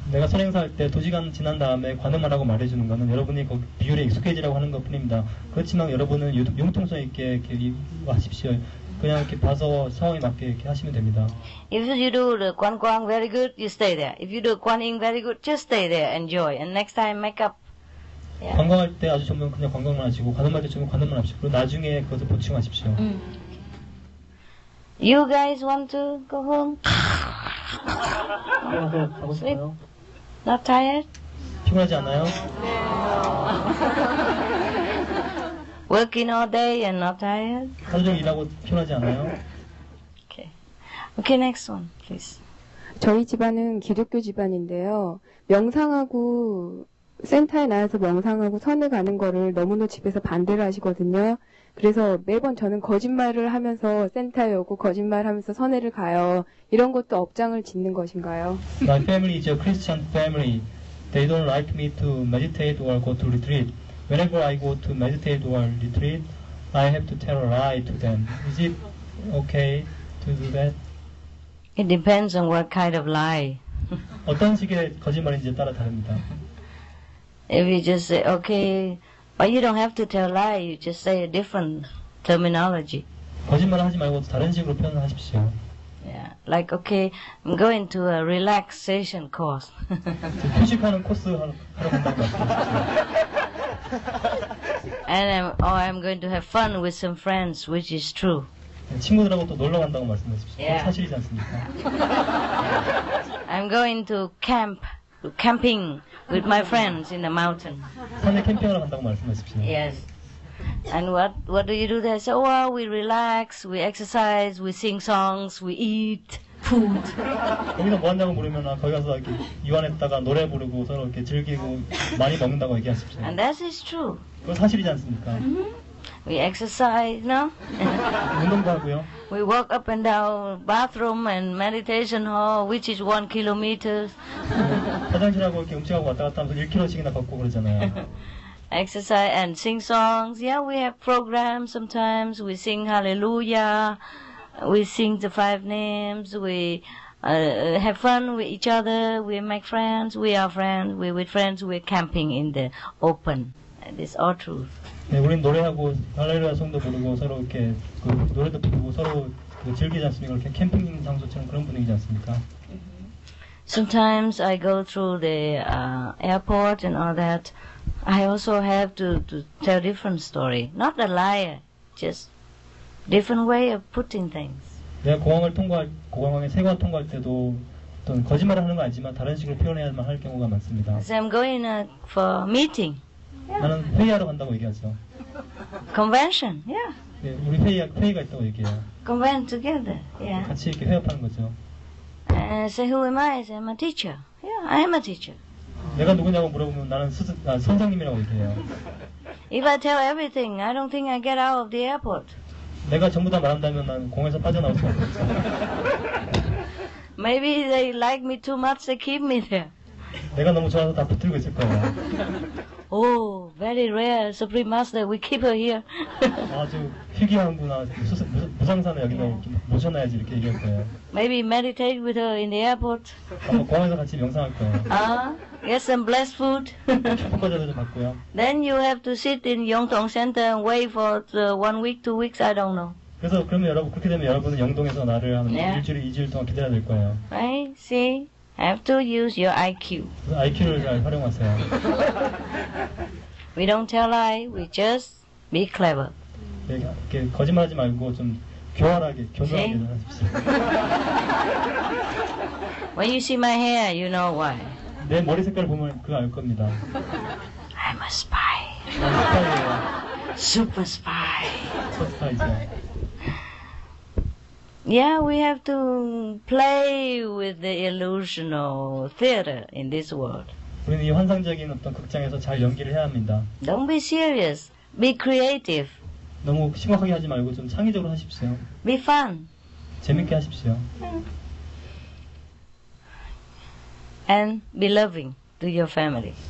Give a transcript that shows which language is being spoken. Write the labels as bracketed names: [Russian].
[Korean] 내가 선행사할 때 2시간 지난 다음에 관음하라고 말해주는 것은 여러분이 그 비율에 익숙해지라고 하는 것뿐입니다. 그렇지만 여러분은 융통성 있게 이렇게 하십시오. 그냥 이렇게 봐서 상황에 맞게 이렇게 하시면 됩니다. [English] If you do the 관광 very good, you stay there. If you do 관인 very good, just stay there, enjoy. And next time, make up. Yeah. [Korean] 관광할 때 아주 전문 그냥 관광만 하시고 관음할 때 전문 관음만 하십시오. 그리고 나중에 그것을 보충하십시오. [English] You guys want to go home? [Korean] 가고 싶어요? [English] Not tired? [Korean] 피곤하지 않아요? [English] Working all day and not tired? [Korean] 하루 종일 일하고 피곤하지 않아요? [English] Okay. Okay, next one, please. [Korean] 저희 집안은 기독교 집안인데요. 명상하고 센터에 나와서 명상하고 선을 가는 거를 너무도 집에서 반대를 하시거든요. 그래서 매번 저는 거짓말을 하면서 센터에 오고 거짓말하면서 선회를 가요. 이런 것도 업장을 짓는 것인가요? [English] My family is a Christian family. They don't like me to meditate or go to retreat. Whenever I go to meditate or retreat, I have to tell a lie to them. Is it okay to do that? It depends on what kind of lie. [Korean] 어떤 식의 거짓말인지에 따라 다릅니다. [English] If you just say, okay, but you don't have to tell a lie, you just say a different terminology. [Korean] 거짓말을 하지 말고 다른 식으로 표현하십시오. [English] Yeah, like, okay, I'm going to a relaxation course. [Korean] 휴식하는 코스 하러 간다고. [English] And I'm going to have fun with some friends, which is true. [Korean] 친구들하고 또 놀러 간다고 말씀하십시오. Yeah. 사실이지 않습니까? [English] I'm going to camping with my friends in the mountain. [Korean] 산에 캠핑하러 간다고 말씀하십시오. [English] Yes. And what do you do there? So, well, we relax, we exercise, we sing songs, we eat food. [Korean] 거기서 뭐 한다고 물으면 거기 가서 이렇게 유한했다가 노래 부르고 서로 이렇게 즐기고 많이 먹는다고 얘기하십시오. [English] And that is true. [Korean] 그거 사실이지 않습니까? [English] Mm-hmm. We exercise, no? [Korean] 운동도 하고요. [English] We walk up and down bathroom and meditation hall, which is 1 kilometer. [Korean] 화장실하고 이렇게 움직이고 왔다 갔다 하면서 1km씩이나 걷고 그러잖아요. [English] exercise and sing songs. Yeah, we have programs sometimes. We sing hallelujah. We sing the five names. We have fun with each other. We make friends. We are friends. We with friends. We're camping in the open. And it's all true. [Korean] 네, 우린 노래하고 할렐루야 송도 부르고 서로 이렇게 그 노래도 부르고 서로 그 즐기지 않습니까? 이렇게 캠핑 장소처럼 그런 분위기지 않습니까? [English] Sometimes I go through the airport and all that. I also have to tell different story. Not a liar, just different way of putting things. [Korean] 내가 공항을 통과할 공항에 세관 통과할 때도 어떤 거짓말을 하는 건 아니지만 다른 식으로 표현해야만 할 경우가 많습니다. [English] So I'm going for meeting. [Korean] 나는 회의하러 간다고 얘기하죠. [English] Convention, yeah. [Korean] 네, 우리 회의가 있다고 얘기해요. [English] Convention together, yeah. [Korean] 같이 이렇게 회합하는 거죠. [English] Say who am I? I'm a teacher. Yeah, I'm a teacher. [Korean] 내가 누구냐고 물어보면 나는 선생님이라고 얘기해요. [English] If I tell everything, I don't think I get out of the airport. [Korean] 내가 전부 다 말한다면 난 공에서 빠져나올 수 없어. [English] Maybe they like me too much, they keep me there. [Korean] 내가 너무 좋아서 다 붙들고 있을 거야. [English] Oh, very rare, Supreme Master, we keep her here. [Korean] 아주 희귀한구나, 무상사는 여기다 모셔놔야지 이렇게 얘기할 거예요. [English] Maybe meditate with her in the airport. [Korean] 아마 공항에서 같이 명상할 거예요. [English] Get some blessed food. [Korean] 축복받아도 받고요. [English] Then you have to sit in Yongdong Center and wait for the 1 week, 2 weeks, I don't know. [Korean] 그래서 그러면 여러분, 그렇게 되면 여러분은 영동에서 나를 한 일주일, 2주일 동안 기다려야 될 거예요. [English] I see. Have to use your IQ. [Korean] IQ를 잘 활용하세요. [English] We don't tell lie. We just be clever. [Korean] 네, 이렇게 거짓말하지 말고 좀 교활하게, 교활하게 하십시오. [English] When you see my hair, you know why. [Korean] 내 머리 색깔 보면 그 알 겁니다. [English] I'm a spy. [Korean] 난 스파이예요. [English] Super spy. [Korean] 저 스파이죠. [English] Yeah, we have to play with the illusional theater in this world. [Korean] 우리는 이 환상적인 어떤 극장에서 잘 연기를 해야 합니다. [English] Don't be serious. Be creative. [Korean] 너무 심각하게 하지 말고 좀 창의적으로 하십시오. [English] Be fun. [Korean] 재밌게 하십시오. [English] And be loving to your family.